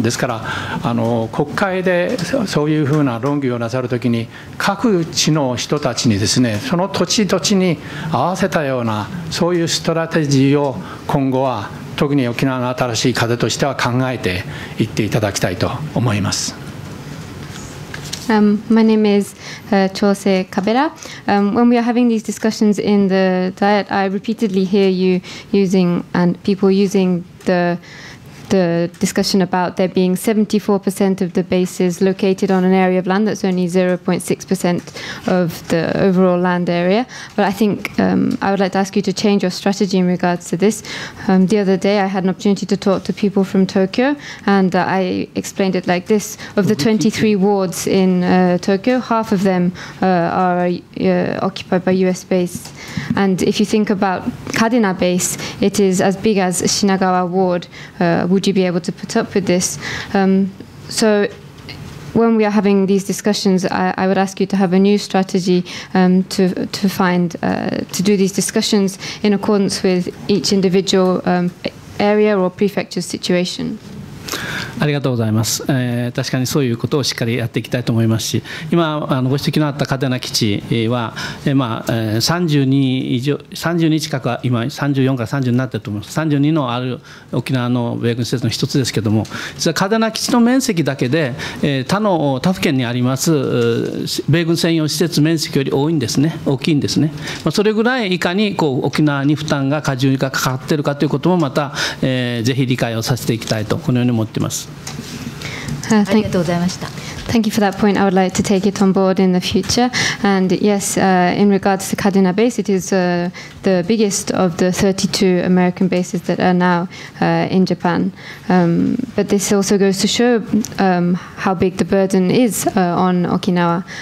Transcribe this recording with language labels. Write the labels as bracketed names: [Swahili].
[Japanese] ですから国会でそういうふうな論議をなさるときに、各地の人たちにですね、その土地土地に合わせたようなそういうストラテジーを今後は特に沖縄の新しい風としては考えていっていただきたいと思います。 [English] My name is Chose Kabera. When we are having these discussions in the Diet, I repeatedly hear you using and people using the discussion about there being 74% of the bases located on an area of land that's only 0.6% of the overall land area. But I think I would like to ask you to change your strategy in regards to this. The other day I had an opportunity to talk to people from Tokyo, and I explained it like this. Of the 23 wards in Tokyo, half of them are occupied by US base. And if you think about Kadena base, it is as big as Shinagawa ward. Would you be able to put up with this? So when we are having these discussions, I would ask you to have a new strategy to do these discussions in accordance with each individual area or prefecture's situation. [Japanese] ありがとうございます。確かにそういうことをしっかりやっていきたいと思いますし、今ご指摘のあった嘉手納基地は、まあ、32近く、今34から30になっていると思います。 32のある沖縄の米軍施設の一つですけれども、実は嘉手納基地の面積だけで他府県にあります米軍専用施設面積より多いんですね、大きいんですね。まあ、それぐらいいかにこう沖縄に負担が過重がかかっているかということもまた、ぜひ理解をさせていきたいと、このように思っています。 [English] Thank you for that point. I would like to take it on board in the future. And yes, in regards to Kadena base, it is the biggest of the 32 American bases that are now in Japan. But this also goes to show how big the burden is on Okinawa.